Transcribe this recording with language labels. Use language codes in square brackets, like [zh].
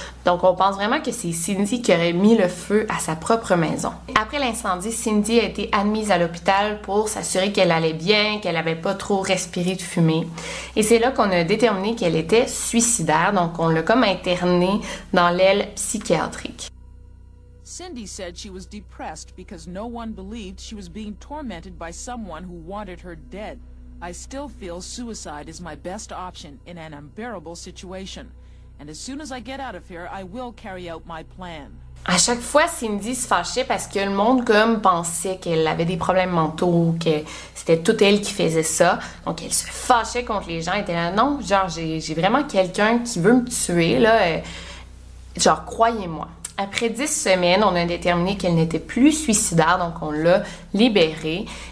[fr] Donc, on pense vraiment que c'est Cindy qui aurait mis le feu à sa propre maison. Après l'incendie, Cindy a été admise à l'hôpital pour s'assurer qu'elle allait bien, qu'elle n'avait pas trop respiré de fumée. Et c'est là qu'on a déterminé qu'elle était suicidaire. Donc, on l'a comme internée dans l'aile psychiatrique. [en] Cindy said she was depressed because no one believed she was being tormented by someone who wanted her dead. I still feel suicide is my best option in an unbearable situation. And as soon as I get out of here, I will carry out my plan. [fr] À chaque fois, Cindy se fâchait parce que le monde comme pensait qu'elle avait des problèmes mentaux, que c'était toute elle qui faisait ça. Donc, elle se fâchait contre les gens. Elle était là, non, genre, j'ai vraiment quelqu'un qui veut me tuer, là. Genre, croyez-moi. Après 10 semaines, on a déterminé qu'elle n'était plus suicidaire, donc on l'a libérée.